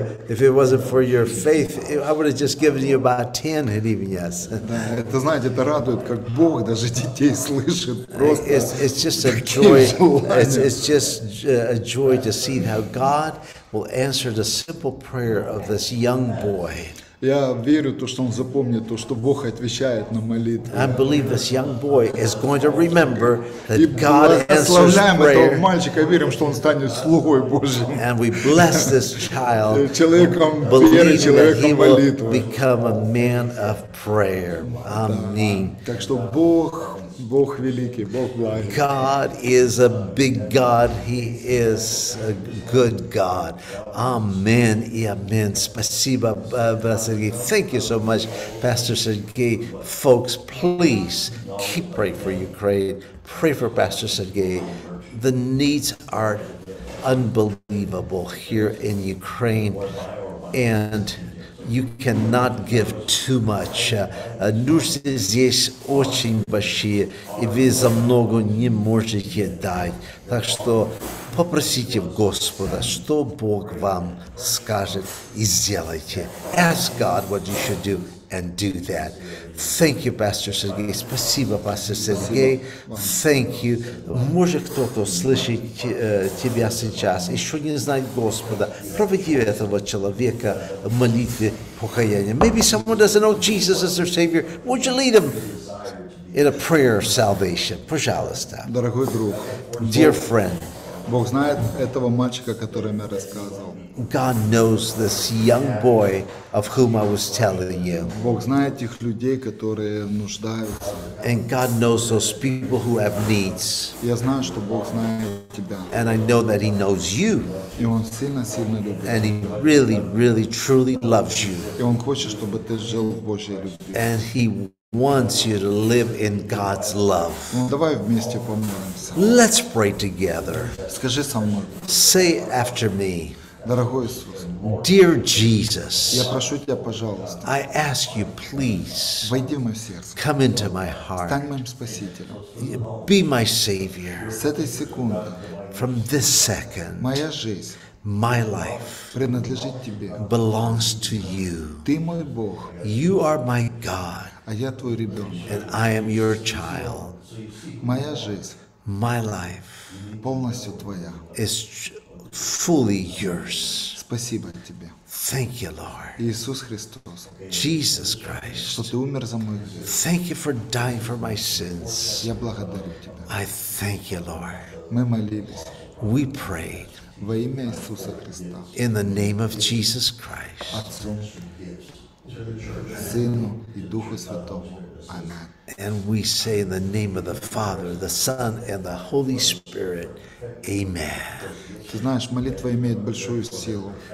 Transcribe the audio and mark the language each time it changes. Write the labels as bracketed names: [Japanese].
[English] If it wasn't for your faith, I would have just given you about 10 hryvnias. [Russian] Это, знаете, это радует, как Бог даже детей слышит. [English] It's just a joy. It's just a joy to see how God will answer the simple prayer of this young boy. [Russian] Я верю, то, что он запомнит, то, что Бог отвечает на молитву. [English] I believe this young boy is going to remember that God answers [Russian] prayer. И благословляем этого мальчика, верим, что он станет слугой Божьим. [English] And we bless this child, [Russian] человеком веры, человеком молитвы. [English] Become a man of prayer. Amen. [Russian] Так что Бог, Бог великий, Бог благий. [English] God is a big God. He is a good God. [Russian] Amen и амин. Спасибо, Сергей. [English] Thank you so much, Pastor Сергей. Folks, please keep praying for Ukraine. Pray for Pastor Сергей. The needs are unbelievable here in Ukraine. And you cannot give too much. [Russian] Нужды здесь очень большие, и вы за много не можете дать. Так что попросите Господа, что Бог вам скажет, и сделайте. [English] Ask God what you should do, and do that. Thank you, Pastor Сергей. Спасибо, Pastor Сергей. Thank you. [Russian] Может кто-то слышит тебя сейчас, еще не знает Господа. Проведи этого человека в молитве покаяния. [English] Maybe someone doesn't know Jesus as their Savior. Would you lead them in a prayer of salvation? [Russian] Пожалуйста. Дорогой друг. [English] Dear friend. [Russian] Бог знает этого мальчика, который мне рассказывал. [English] God knows this young boy of whom I was telling you. [Russian] Бог знает тех людей, которые нуждаются. [English] And God knows those people who have needs. [Russian] Я знаю, что Бог знает тебя. [English] And I know that He knows you. [Russian] И Он сильно-сильно любит. [English] And He really, really, truly loves you. [Russian] И Он хочет, чтобы ты жил в Божьей любви. [English] And He wants you to live in God's love. [Russian] Давай вместе помолимся. [English] Let's pray together. [Russian] Скажи со мной. [English] Say after me. [Russian] Дорогой Иисус. [English] Dear Jesus. [Russian] Я прошу тебя, пожалуйста. [English] I ask you, please. [Russian] Войди в мое сердце. [English] Come into my heart. [Russian] Стань моим спасителем. [English] Be my savior. [Russian] С этой секунды. [English] From this second. [Russian] Моя жизнь. [English] My life [Russian] принадлежит тебе. [English] Belongs to you. [Russian] Ты мой Бог. [English] You are my God. [Russian] А я твой ребенок. [English] And I am your child. [Russian] Моя жизнь. [English] My life. [Russian] Полностью твоя. [English] Is fully yours. [Russian] Спасибо тебе. [English] Thank you, Lord. [Russian] Иисус Христос. [English] Jesus Christ. [Russian] Что ты умер за мой грех. [English] Thank you for dying for my sins. [Russian] Я благодарю тебя. [English] I thank you, Lord. [Russian] Мы молились. [English] We prayed. [Russian] Во имя Иисуса Христа. [English] In the name of Jesus Christ. [Russian] Отцу, Сыну и Духу Святому. [English] Amen. And we say in the name of the Father, the Son, and the Holy Spirit, Amen. [Russian] Ты знаешь, молитва имеет большую силу.